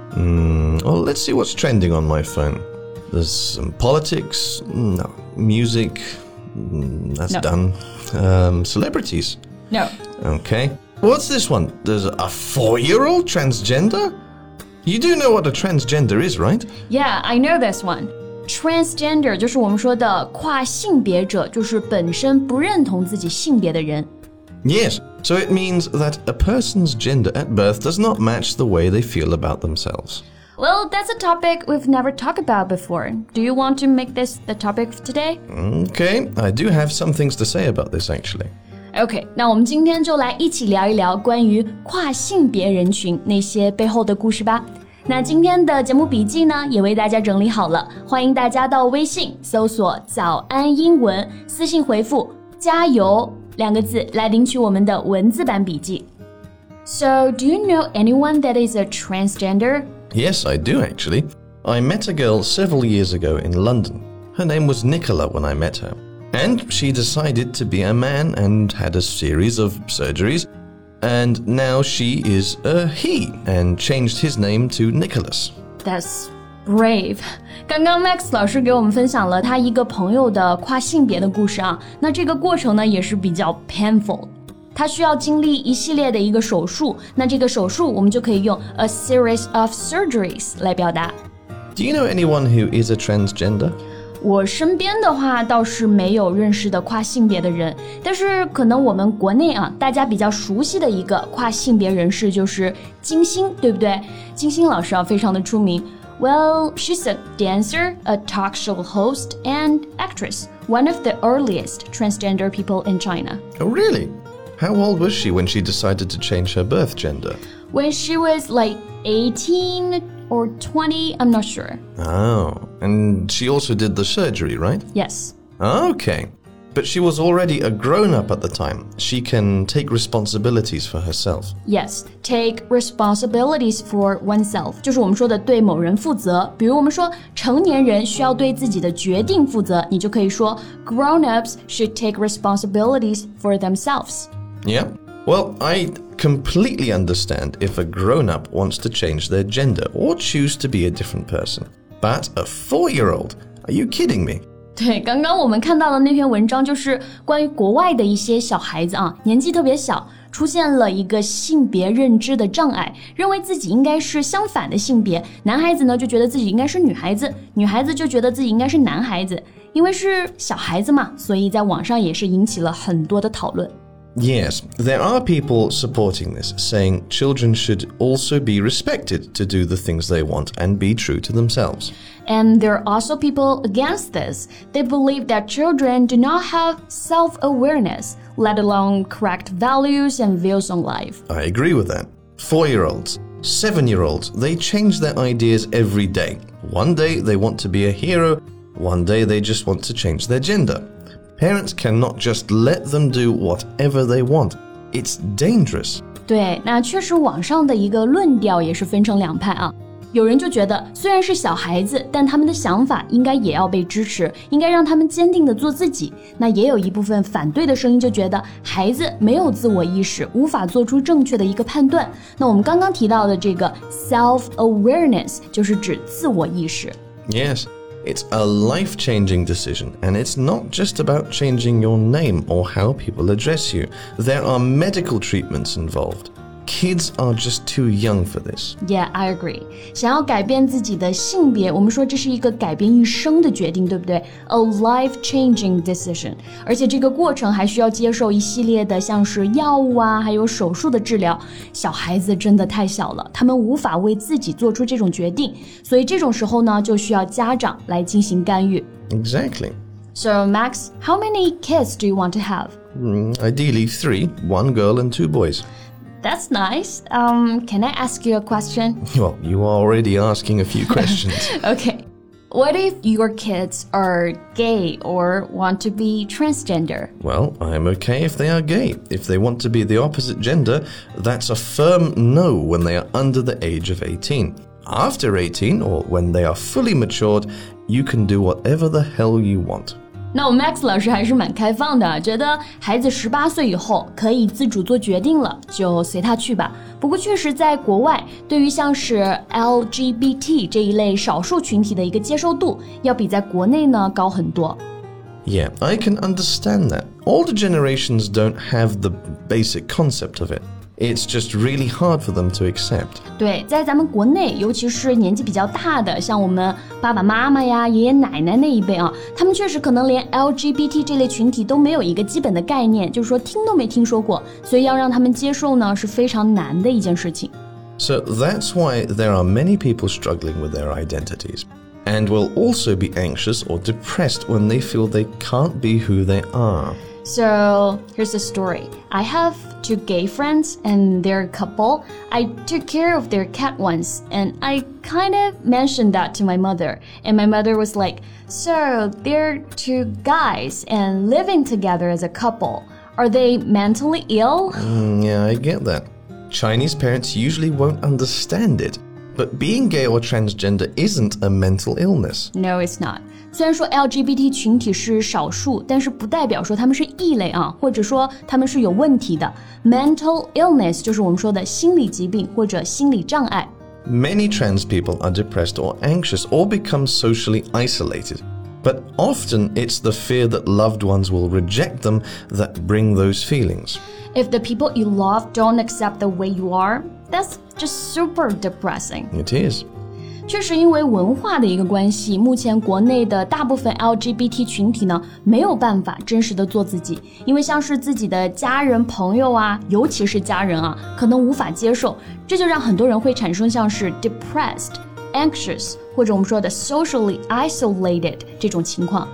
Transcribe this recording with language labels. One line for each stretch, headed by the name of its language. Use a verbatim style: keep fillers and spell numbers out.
English: Mm, well, let's see what's trending on my phone. There's some politics. No. Music. Mm, that's No. done. Um, celebrities. No. Okay. What's this one? There's a four-year-old transgender? You do know what a transgender is, right? Yeah, I know this one.
Chinese: Transgender 就是我们说的跨性别者，就是本身不认同自己性别的人。
English: Yes. So it means that a person's gender at birth does not match the way they feel about themselves. Well, that's a topic we've never talked about before. Do you want to make this the topic of today? Okay. I do have some things to say about this, actually.
Chinese: OK, 那我们今天就来一起聊一聊关于跨性别人群那些背后的故事吧。那今天的节目笔记呢，也为大家整理好了，欢迎大家到微信搜索“早安英文”，私信回复“加油”两个字来领取我们的文字版笔记。
English: So, do you know anyone that is a transgender? Yes, I do, actually. I met a girl several years ago in London. Her name was Nicola when I met her. And she decided to be a man and had a series of surgeries. And now she is a he and changed his name to Nicholas. That's brave.
Chinese: 刚刚 Max 老师给我们分享了他一个朋友的跨性别的故事啊，那这个过程呢也是比较 painful。他需要经历一系列的一个手术，那这个手术我们就可以用
English: a series of surgeries
Chinese: 来表达。
English: Do you know anyone who is a transgender?
Chinese: 我身边的话倒是没有认识的跨性别的人，但是可能我们国内啊，大家比较熟悉的一个跨性别人士就是金星，对不对？金星老师啊，非常的出名。
English: Well, she's a dancer, a talk show host, and actress, one of the earliest transgender people in China. Oh, really? How old was she when she decided to change her birth gender? When she was like eighteen or twenty, I'm not sure. Oh, and she also did the surgery, right? Yes. Okay. But she was already a grown-up at the time. She can take responsibilities for herself. Yes, take responsibilities for oneself
Chinese: 就是我们说的对某人负责，比如我们说成年人需要对自己的决定负责，你就可以说
English: grown-ups should take responsibilities for themselves. Yeah. Well, I completely understand if a grown-up wants to change their gender or choose to be a different person. But a four-year-old? Are you kidding me?
Chinese: 对，刚刚我们看到的那篇文章就是关于国外的一些小孩子啊，年纪特别小，出现了一个性别认知的障碍，认为自己应该是相反的性别，男孩子呢就觉得自己应该是女孩子，女孩子就觉得自己应该是男孩子，因为是小孩子嘛，所以在网上也是引起了很多的讨论。
English: Yes, there are people supporting this, saying children should also be respected to do the things they want and be true to themselves. And there are also people against this. They believe that children do not have self-awareness, let alone correct values and views on life. I agree with that. Four-year-olds, seven-year-olds, they change their ideas every day. One day they want to be a hero, one day they just want to change their gender. Parents cannot just let them do whatever they want. It's dangerous.
Chinese: 对，那确实网上的一个论调也是分成两派啊。有人就觉得，虽然是小孩子，但他们的想法应该也要被支持，应该让他们坚定地做自己。那也有一部分反对的声音就觉得，孩子没有自我意识，无法做出正确的一个判断。那我们刚刚提到的这个 self-awareness 就是指自我意识。
English: Yes. It's a life-changing decision, and it's not just about changing your name or how people address you. There are medical treatments involved. Kids are just too young for this. Yeah, I agree.
Chinese: 想要改变自己的性别，我们说这是一个改变一生的决定，对不对？
English: A life-changing decision.
Chinese: 而且这个过程还需要接受一系列的像是药物啊，还有手术的治疗。小孩子真的太小了，他们无法为自己做出这种决定，所以这种时候呢，就需要家长来进行干预。
English: Exactly. So, Max, how many kids do you want to have? Mm, ideally three, one girl and two boys. That's nice. Um, can I ask you a question? Well, you are already asking a few questions. Okay. What if your kids are gay or want to be transgender? Well, I'm okay if they are gay. If they want to be the opposite gender, that's a firm no when they are under the age of eighteen. After eighteen, or when they are fully matured, you can do whatever the hell you want.
Chinese: 那我 Max 老师还是蛮开放的，觉得孩子十八岁以后可以自主做决定了，就随他去吧。不过确实在国外，对于像是 L G B T 这一类少数群体的一个接受度，要比在国内呢高很多。
English: Yeah, I can understand that. Older generations don't have the basic concept of it. It's just really hard for them to accept.
Chinese: 对，在咱们国内，尤其是年纪比较大的，像我们爸爸妈妈呀、爷爷奶奶那一辈啊，他们确实可能连 L G B T 这类群体都没有一个基本的概念，就是说听都没听说过，所以要让他们接受呢，是非常难的一件事情。
English: So that's why there are many people struggling with their identities, and will also be anxious or depressed when they feel they can't be who they are. So, here's the story. I have two gay friends and they're a couple. I took care of their cat once and I kind of mentioned that to my mother. And my mother was like, so they're two guys and living together as a couple. Are they mentally ill? Mm, yeah, I get that. Chinese parents usually won't understand it. But being gay or transgender isn't a mental illness. No, it's not.
Chinese: 虽然说 L G B T 群体是少数，但是不代表说他们是异类啊，或者说他们是有问题的。 Mental illness 就是我们说的心理疾病或者心理障碍。
English: Many trans people are depressed or anxious or become socially isolated. But often it's the fear that loved ones will reject them that bring those feelings. If the people you love don't accept the way you are, that's just super depressing. It is.
Chinese: 确实因为文化的一个关系，目前国内的大部分 L G B T 群体呢，没有办法真实的做自己，因为像是自己的家人朋友啊，尤其是家人啊，可能无法接受，这就让很多人会产生像是
English: depressed, anxious,
Chinese: 或者我们说的
English: socially isolated
Chinese: 这种情况。